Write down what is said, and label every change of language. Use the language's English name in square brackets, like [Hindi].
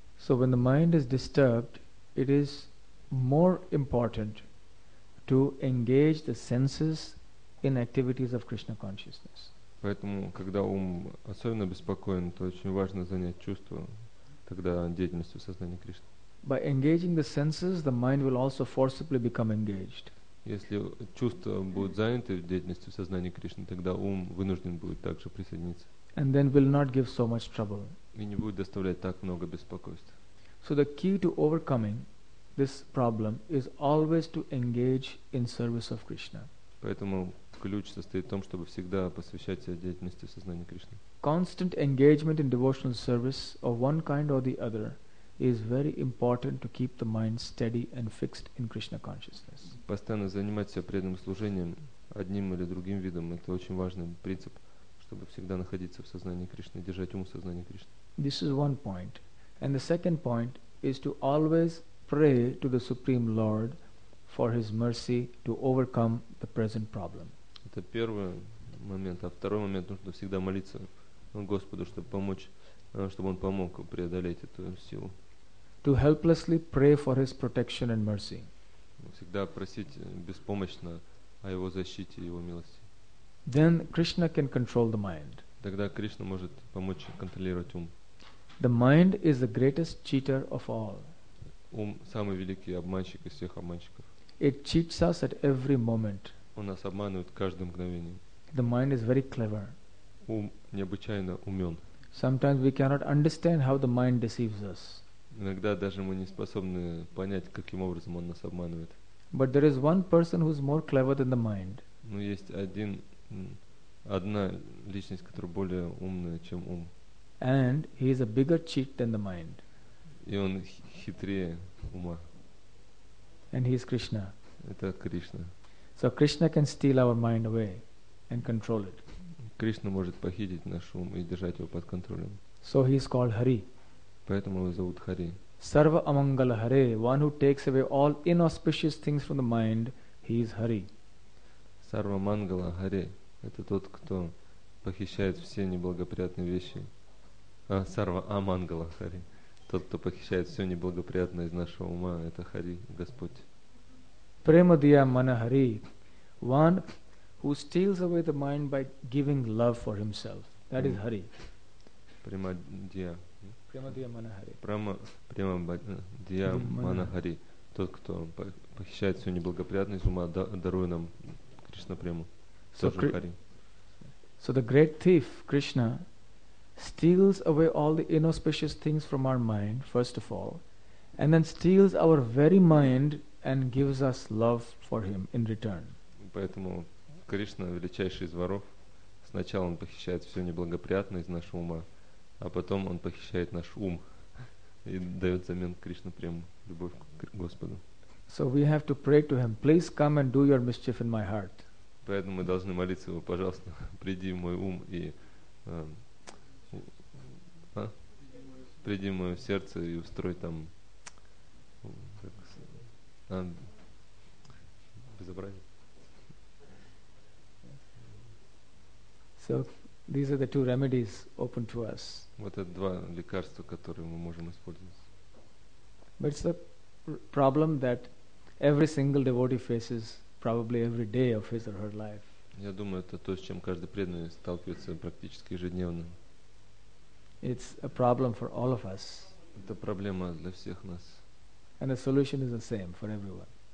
[English] So when the mind is disturbed, it is more important to engage the senses in activities of Krishna consciousness. [Russian] Поэтому, когда ум особенно беспокоен, то очень важно занять чувство тогда деятельностью сознания Кришны. [English] By engaging the senses, the mind will also forcibly become engaged. [Russian] Если чувства будут заняты деятельностью сознания Кришны, тогда ум вынужден будет также присоединиться. [English] And then will not give so much trouble. [Russian] И не будет доставлять так много беспокойств. [English] So the key to overcoming this problem is always to engage in service of Krishna. [Russian] Поэтому ключ состоит в том, чтобы всегда посвящать себя деятельности сознания Кришны. [English] Constant engagement in devotional service of one kind or the other is very important to keep the mind steady and fixed in Krishna consciousness. [Russian] Постоянно занимать себя преданным служением одним или другим видом — это очень важный принцип, чтобы всегда находиться в сознании Кришны, держать ум в сознании Кришны. [English] This is one point. And the second point is to always pray to the Supreme Lord for His mercy to overcome the present problem. [Russian] Это первый момент, а второй момент — нужно всегда молиться Господу, чтобы помочь, чтобы Он помог преодолеть эту силу. [English] To helplessly pray for His protection and mercy. [Russian] Всегда просить беспомощно о Его защите и Его милости. [English] Then Krishna can control the mind. [Russian] Тогда Кришна может помочь контролировать ум. [English] The mind is the greatest cheater of all. [Russian] Ум — самый великий обманщик из всех обманщиков. [English] It cheats us at every moment. [Russian] Он нас обманывает каждое мгновение. [English] The mind is very clever. [Russian] Ум необычайно умен. [English] Sometimes we cannot understand how the mind deceives us. [Russian] Иногда даже мы не способны понять, каким образом он нас обманывает. [English] But there is one person who is more clever than the mind. [Russian] Но есть одна личность, которая более умная, чем ум. [English] And he is a bigger cheat than the mind. [Russian] И он хитрее ума. [English] And he is Krishna. [Russian] Это Кришна. [English] So Krishna can steal our mind away and control it. [Russian] Кришна может похитить наш ум и держать его под контролем. [English] So he is called Hari. [Russian] Поэтому его зовут Хари. [Sanskrit] Sarva Amangala Hare, [English] one who takes away all inauspicious things from the mind, he is Hari. [Sanskrit] Sarva Mangala Hare [Russian] — это тот, кто похищает все неблагоприятные вещи. [Sanskrit] Sarva Amangala Hare [Russian] — тот, кто похищает все неблагоприятное из нашего ума, это Хари, Господь. [Sanskrit] Premadiya Manahari, [English] one who steals away the mind by giving love for himself. That is Hari. [Sanskrit] Premadiya. Premadiya Manahari. Premadiya Manahari. [Russian] Тот, кто похищает всю неблагоприятность из ума, даруя нам Кришна прему. Хари. [English] So the great thief, Krishna, steals away all the inauspicious things from our mind, first of all, and then steals our very mind and gives us love for him in return. [Russian] Поэтому Кришна — величайший из воров. Сначала он похищает все неблагоприятное из нашего ума, а потом он похищает наш ум и дает взамен Кришна прему, любовь к Господу. [English] So we have to pray to him, please come and do your mischief in my heart. [Russian] Поэтому мы должны молиться его: пожалуйста, приди в мой ум и приди в мое сердце и устрой там. безобразие. [English] So these are the two remedies open to us. [Russian] Вот это два лекарства, которые мы можем использовать. [English] But it's a problem that every single devotee faces probably every day of his or her life. [Russian] Я думаю, это то, с чем каждый преданный сталкивается практически ежедневно. [English] It's a problem for all of us. [Russian] Это проблема для всех нас. [English] And the solution is the same for everyone.